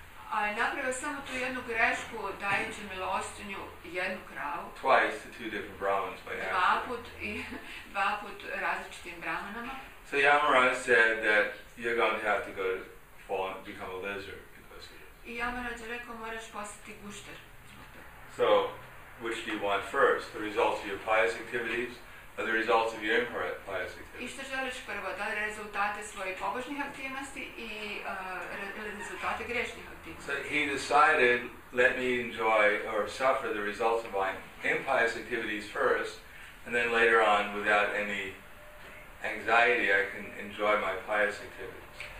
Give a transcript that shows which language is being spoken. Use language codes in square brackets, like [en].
[hr] Ali napravio samo tu jednu grešku dajući milostinju jednu kravu. [en] Twice to two different Brahmins by accident. [hr] Dva put različitim Brahmanama. [en] So Yamaraj said that you're going to have to go fall and become a lizard because of this. [hr] I Yamaraj je rekao moraš postati gušter. [en] So, which do you want first? The results of your pious activities or the results of your incorrect pious activities? [hr] I što želiš prvo? Da li rezultate svojih pobožnih aktivnosti i rezultate grešnih aktivnosti? [en] So he decided, let me enjoy or suffer the results of my impious activities first, and then later on, without any anxiety, I can enjoy my pious activities.